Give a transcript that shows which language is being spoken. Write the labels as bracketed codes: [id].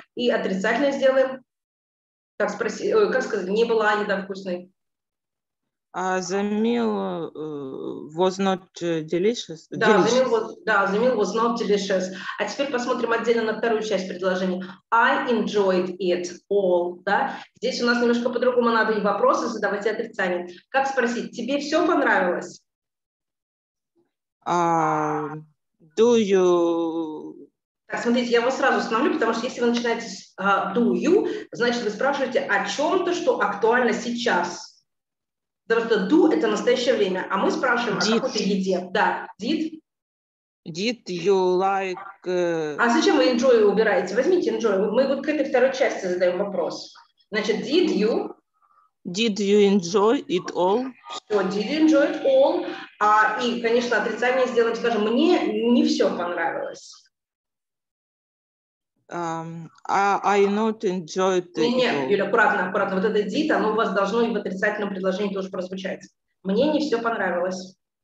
[ru] И отрицательно сделаем. Как спросить? Как сказать? Не была еда вкусной? [en] The meal was not delicious. Да, the meal was not delicious. [ru] А теперь посмотрим отдельно на вторую часть предложения. [en] I enjoyed it all. Да? [ru] Здесь у нас немножко по-другому надо и вопросы задавать, и отрицание. Как спросить? Тебе все понравилось? [en] Do you... [ru] Так, смотрите, я его сразу остановлю, потому что если вы начинаете с [en] do you, [ru] значит, вы спрашиваете о чем-то, что актуально сейчас. Потому что do – это настоящее время, а мы спрашиваем о какой-то еде. Да, did. [en] Did you like... [ru] А зачем вы enjoy убираете? Возьмите enjoy. Мы вот к этой второй части задаем вопрос. Значит, did you... [en] Did you enjoy it all? Все, did you enjoy it all? [ru] А, и, конечно, отрицание сделаем, скажем, мне не все понравилось. [en] I not enjoyed it. [ru] Нет, Юля, аккуратно, аккуратно. Вот это did, оно у вас должно и в отрицательном предложении тоже прозвучать. Мне не все понравилось.